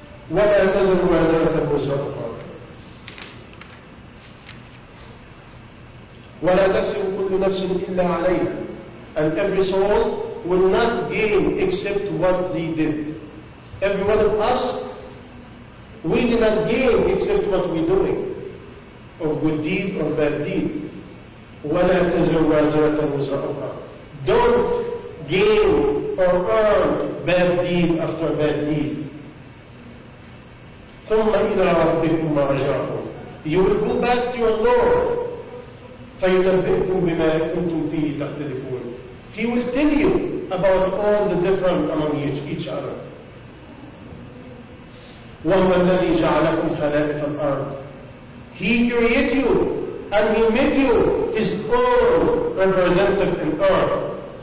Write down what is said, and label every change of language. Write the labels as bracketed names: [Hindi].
[Arabic] وَلَا تَزِرُ وَازِرَةً وِزْرَ أُخْرَى وَلَا تَكْسِبُ كُلُّ نَفْسٍ إِلَّا عَلَيْهِ [English] And every soul will not gain except what they did. Every one of us, we did not gain except what we're doing. Of good deed or bad deed. [Arabic] وَلَا تَزِرُ وَازِرَةً وِزْرَ أُخْرَى [English] Don't gain or earn bad deed after bad deed. [Arabic] ثم إلى ربكم مرجعكم. [English] You will go back to your Lord. [Arabic] فينبئكم بما كنتم فيه تختلفون. [English] He will tell you about all the different among each other. [Arabic] وهو الذي جعلكم خلائف الأرض. [English] He created you and He made you His own representative in earth.